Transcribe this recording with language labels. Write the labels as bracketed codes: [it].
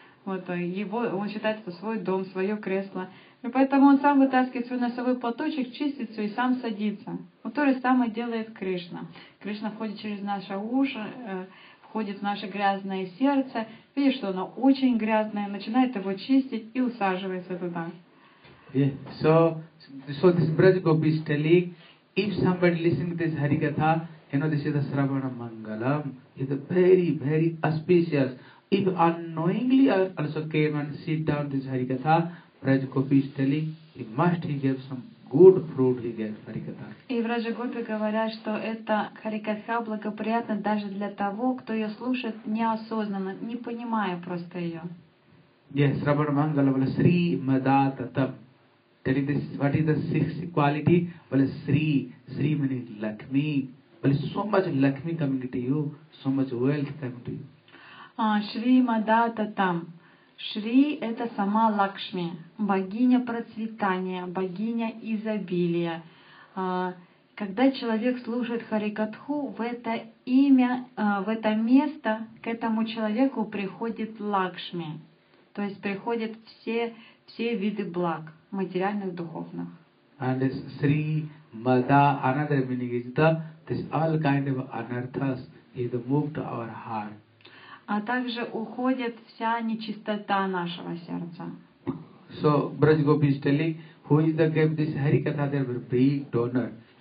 [ru] Вот, его, он считает это свой дом, свое кресло. И поэтому он сам вытаскивает свой носовой платочек, чистит все и сам садится. Вот то же самое делает Кришна. Кришна входит через наши уши, входит в наше грязное сердце, видит, что оно очень грязное, начинает его чистить и усаживается туда. [en] Yeah. So this Braj Gopi is telling, if somebody listening to this Harikatha, you know, this is the Sravana Mangalam, it's very, very auspicious. If unknowingly also came and sit down this Harikatha, Braj Gopi is telling, he gave some good fruit, he gave Harikatha. [ru] И в Раджа Гопи говорят, что это Харикатха благоприятна даже для того, кто ее слушает неосознанно, не понимая просто ее. [en] Yes, Sravana Mangalam, Sri Madatatam. Telling this, what is the sixth quality? Well, Sri means Lakshmi. Well, so much Lakshmi coming to you, so much wealth coming to you. Shri Madata Tam. [ru] Shri – это сама Лакшми, богиня процветания, богиня изобилия. Когда человек слушает Харикатху, в это имя, в это место, к этому человеку приходит Лакшми. То есть приходят все виды благ. Материальных, духовных. [en] And this Sri Mada, another meaning is the this all kind of anarthas is moved to our heart. [ru] А также уходит вся нечистота нашего сердца. [en] So Braj Gopi is telling, who is the gave this Harikatha, they were big donor.